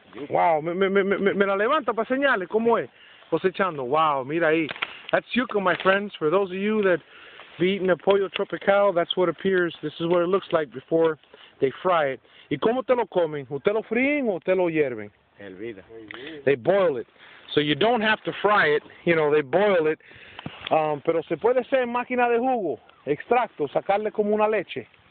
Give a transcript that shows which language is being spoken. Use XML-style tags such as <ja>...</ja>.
<es>Wow, me la levanta para señales, ¿cómo es? Cosechando, wow, mira ahí.</es> <en>That's yuca, my friends. For those of you that be eating a pollo tropical, that's what appears, this is what it looks like before they fry it.</en> <es>¿Y cómo te lo comen? ¿Usted lo fríen o usted lo hierven? Elvira.</es> <en>They boil it. So you don't have to fry it, you know, they boil it.</en> <es>Pero se puede hacer en máquina de jugo, extracto, sacarle como una leche.</es>